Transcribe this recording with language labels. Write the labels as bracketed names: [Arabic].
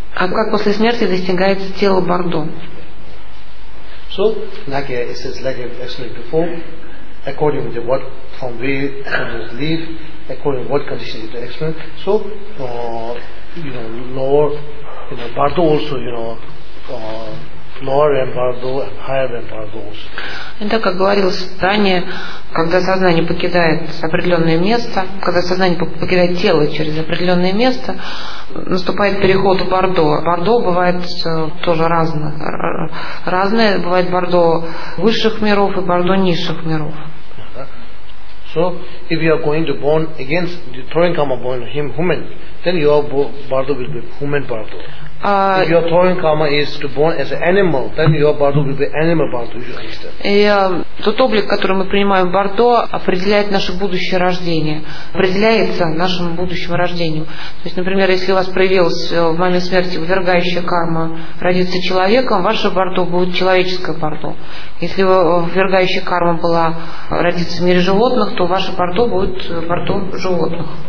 [Russian] А как после смерти достигается тело Бардо? [English] So, like it says, like actually before, according to what from where someone live, according to what condition is the experience. So, you know, lower, you know, Bardo also, you know, lower and Bardo, higher and Bardo also. [Russian] И так, как говорилось ранее, когда сознание покидает определенное место, когда сознание покидает тело через определенное место, наступает переход в Бардо. Бардо бывает тоже разное. Бывает Бардо высших миров и Бардо низших миров. [English] So, if you are going to born against the throwing karma born him human, then your Bardo will be human Bardo. If your throwing karma is to born as an animal, then your Bardo will be animal Bardo. You understand? [Russian] И тот облик, который мы принимаем Бардо, определяет наше будущее рождение, определяется нашим будущим рождением. То есть, например, если у вас проявилась в момент смерти ввергающая карма родиться человеком, ваше Бардо будет человеческое Бардо. Если ввергающая карма была родиться в мире животных, то ваше Бардо будет Бардо животных.